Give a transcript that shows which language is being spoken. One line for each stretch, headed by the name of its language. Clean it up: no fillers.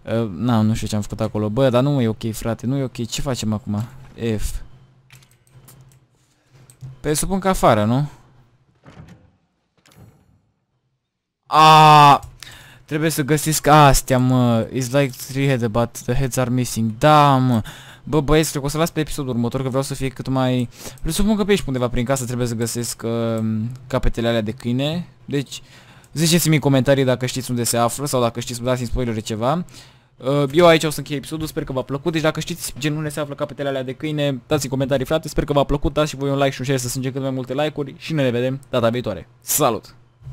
Romanian: Nu știu ce am făcut acolo. Bă, dar nu e ok, frate, nu e ok. Ce facem acum? F. Păi supun că afară, nu? Trebuie să găsesc astea, mă.
English: It's like three heads, but the heads are missing.
Romanian: Da, mă. Bă, băieți, cred că o să las pe episodul următor, că vreau să fie cât mai... Presupun că pe aici, undeva prin casă, trebuie să găsesc capetele alea de câine. Deci, ziceți-mi în comentarii dacă știți unde se află sau dacă știți, dați-mi spoilere ceva. Eu aici o să închei episodul, sper că v-a plăcut. Deci dacă știți gen unde se află capetele alea de câine, dați-mi comentarii, frate. Sper că v-a plăcut, dați și voi un like și un share să strângem cât mai multe like-uri. Și ne vedem data viitoare. Salut!